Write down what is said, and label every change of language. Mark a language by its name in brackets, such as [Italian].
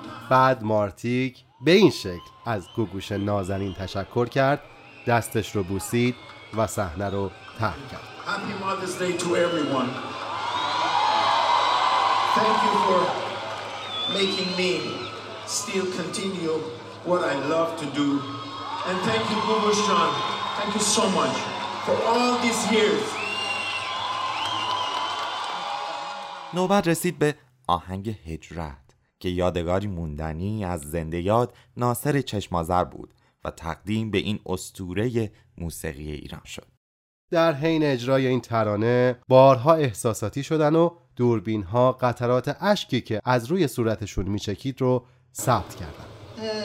[Persian] بعد مارتیک به این شکل از گوگوش نازنین تشکر کرد، دستش رو بوسید و صحنه رو ترک کرد. [English] Happy Mother's Day to everyone. Thank you for making me still continue what I love to do. And thank you Googoosh جان. Thank you so much for all these years. [Persian] نوبت رسید به آهنگ هجرت که یادگاری موندنی از زنده یاد ناصر چشم‌آذر بود و تقدیم به این اسطوره موسیقی ایران شد. در حین اجرای این ترانه بارها احساساتی شدن و دوربین ها قطرات اشکی که از روی صورتشون میچکید رو ثبت کردن.